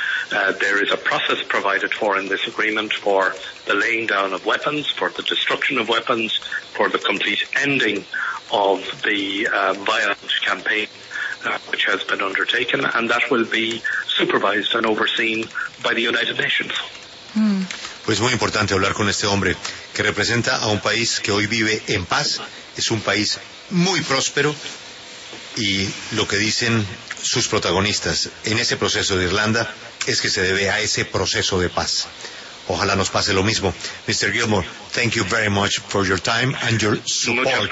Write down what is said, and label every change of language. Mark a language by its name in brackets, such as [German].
[English] There is a process provided for in this agreement for the laying down of weapons, for the destruction of weapons, for the complete ending of the violent campaign which has been undertaken, and that will be supervised and overseen by the United Nations. [Spanish] Pues muy importante hablar con este hombre que representa a un país que hoy vive en paz, es un país muy próspero, y lo que dicen sus protagonistas en ese proceso de Irlanda es que se debe a ese proceso de paz. Ojalá nos pase lo mismo. Mr. [English] Gilmore, thank you very much for your time and your support.